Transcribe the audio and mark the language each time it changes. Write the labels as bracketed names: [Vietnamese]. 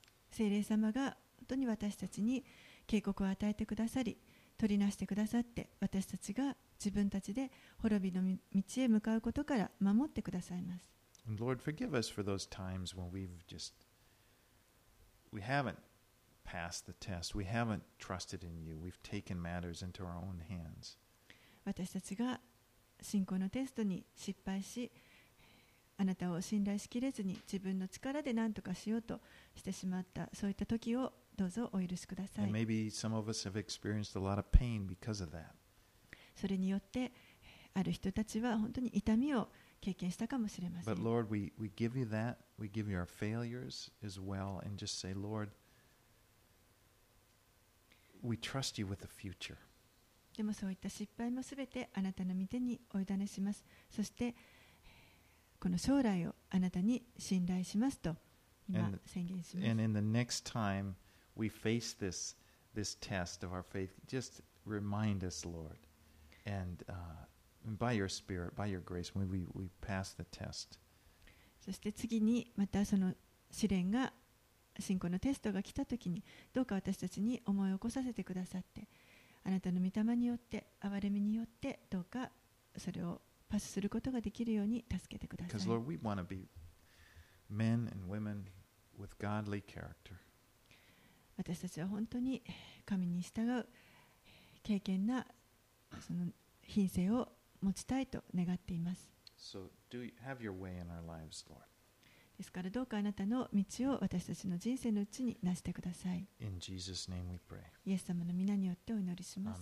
[Japanese] 聖霊様が本当に私たちに警告を与えてくださり、取りなしてくださって、私たちが自分たちで滅びの道へ向かうことから守ってくださいます。 [English] And Lord, forgive us for those times when we haven't passed the test. We haven't trusted in you. We've taken matters into our own hands. [Japanese] 私たちが信仰のテストに失敗し、あなたを信頼しきれずに自分の力で何とかしようとしてしまった、そういった時をどうぞお許しください。 [English] And maybe some of us have experienced a lot of pain because of that. [Japanese] それによってある人たちは本当に痛みを経験したかもしれません。 [English] But Lord, we give you that. We give you our failures as well, and just say, Lord, we trust you with the future. [Japanese] でもそういった失敗もすべてあなたの御手にお委ねします。そしてこの将来をあなたに信頼しますと今宣言します。 [English] And in the next time we face this test of our faith, just remind us, Lord, and by your Spirit, by your grace, we pass the test. [Japanese] そして次にまたその試練が、信仰のテストが来た時に、どうか私たちに思い起こさせてくださって、あなたの御霊によって、憐れみによって、どうかそれをパスすることができるように助けてください。 [English] Because Lord, we want to be men and women with godly character. [Japanese] 私たちは本当に神に従う敬虔なその品性を持ちたいと願っています。 [English] So do you have your way in our lives, Lord. [Japanese] ですからどうかあなたの道を私たちの人生のうちになしてください。 [English] In Jesus' name we pray. [Japanese] イエス様の皆によってお祈りします。